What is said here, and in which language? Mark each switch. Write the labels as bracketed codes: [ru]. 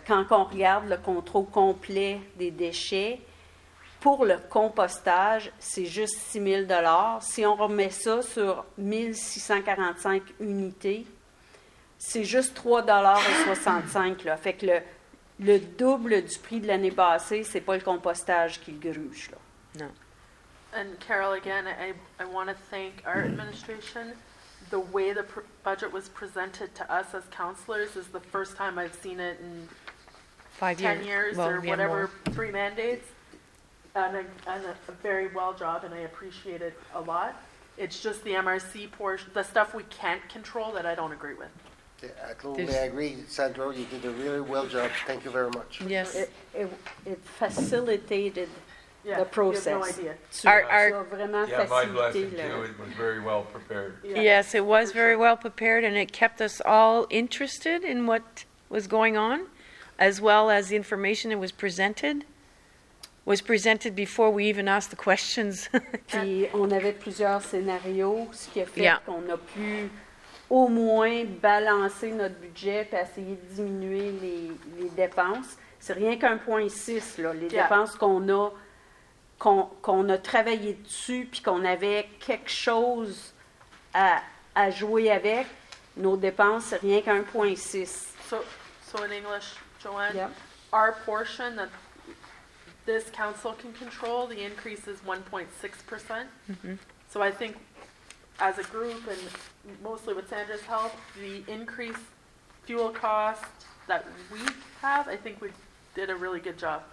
[fr] Quand on regarde le contrôle complet des déchets, pour le compostage, c'est juste 6 000. Si on remet ça sur 1645 unités, c'est juste 3,65 $. Fait que le double du prix de l'année passée, c'est pas le compostage qui le gruge, là. Non. [en] And Carol, again, I want to thank our administration. The way the budget was presented to us as counselors is the first time I've seen it in 5 years, well, or whatever, three mandates. And a very well job, and I appreciate it a lot. It's just the MRC portion, the stuff we can't control that I don't agree with. Yeah, I totally agree, Sandro. You did a really well job. Thank you very much. Yes. It facilitated the process. It was very well prepared. Yeah. Yes, it was very well prepared, and it kept us all interested in what was going on, as well as the information that was presented before we even asked the questions. [fr] Puis on avait plusieurs scénarios, ce qui a fait qu'on a pu au moins balancer notre budget puis essayer de diminuer les dépenses. C'est rien qu'un point 6, là, les dépenses qu'on a travaillé dessus puis qu'on avait quelque chose à jouer avec. Nos dépenses, c'est rien qu'un point 6. [en] So in English, Joanne, our portion that this council can control, the increase is 1.6%. Mm-hmm. So I think as a group and mostly with Sandra's help, the increased fuel cost that we have, I think we did a really good job.